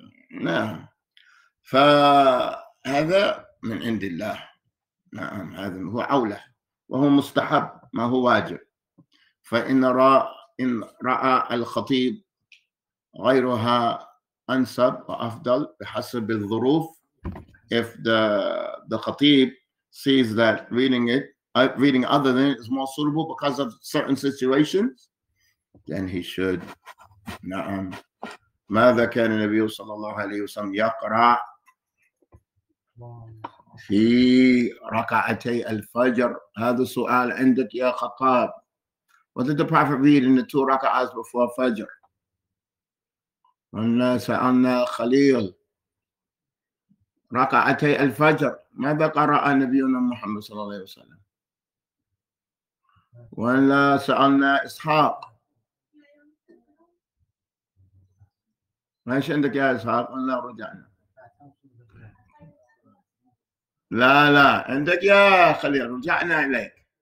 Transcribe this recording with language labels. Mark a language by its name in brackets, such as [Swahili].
[Arabic] نعم، فهذا من عند الله. نعم، هذا هو أولى وهو مستحب، ما هو واجب. فإن رأى الخطيب غيرها أنسب وأفضل بحسب الظروف. [English] If the خطيب sees that reading other than it is more suitable because of certain situations, then he should. [Arabic] نعم. ماذا كان النبي صلى الله عليه وسلم يقرأ في ركعتي الفجر؟ هذا سؤال عندك يا خطاب. [English] What did the Prophet read in the two rak'ahs before Fajr? [Arabic] أنا سألنا خليل ركعتي الفجر ماذا قرأ نبينا محمد صلى الله عليه وسلم؟ ولا سألنا إسحاق ماشي عندك يا إسحاق؟ ولا رجعنا؟ لا لا عندك يا خليل رجعنا إليك.